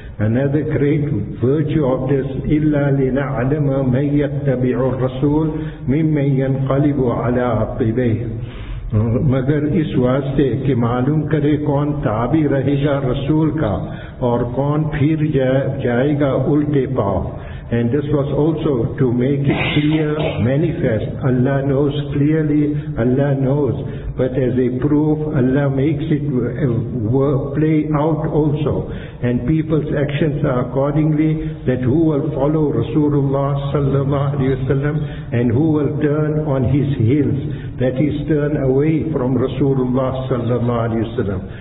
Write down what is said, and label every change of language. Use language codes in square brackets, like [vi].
[en] Another great virtue of this, [ar] إلا لنعلم من يتبع الرسول ممن ينقلب على عقبيه. [ur] مگر اس واسطے کہ معلوم کرے کون تابع رہے گا رسول کا اور کون پھر جائے گا الٹے پاؤں. [en] And this was also to make it clear, manifest. Allah knows clearly, Allah knows. But as a proof, Allah makes it play out also. And people's actions are accordingly, that who will follow Rasulullah sallallahu alayhi wasallam and who will turn on his heels, that is turn away from Rasulullah sallallahu alayhi wasallam.